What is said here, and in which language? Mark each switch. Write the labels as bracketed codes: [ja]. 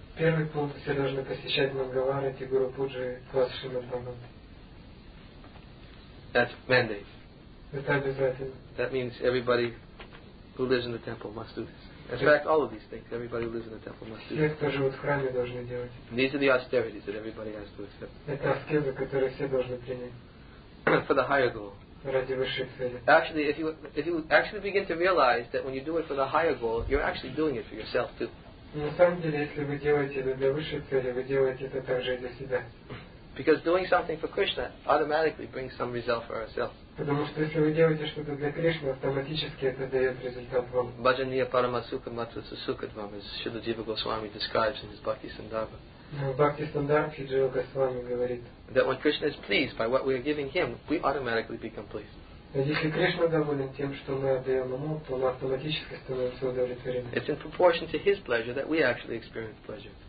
[ru] Первый пункт, все должны посещать Мангал Арати, Гуру Пуджи, класс Шримад Бхагаватам. [en] That's mandate. [ru] Это обязательно. [en] That means everybody who lives in the temple must do this. In fact, all of these things, everybody who lives in the temple must do this. [ru] Все, кто живут в храме, должны делать. [en] These are the austerities that everybody has to accept. [ru] Это аскезы, которые все должны принять. [en] For the higher goal. Actually, if you actually begin to realize that when you do it for the higher goal, you're actually doing it for yourself too. [ru] На самом деле, если вы делаете это для высшей цели, вы делаете это также и для себя. [en] Because doing something for Krishna automatically brings some result for ourselves. [ru] Потому что если вы делаете что-то для Кришны, автоматически это дает результат вам. [en] Bhajaniya paramasukha matrasasukadvam, as Śrīla Jīva Gosvāmī describes in his Bhakti Sandarbha. That when Krishna is pleased by what we are giving him, we automatically become pleased. It's in proportion to his pleasure that we actually experience pleasure.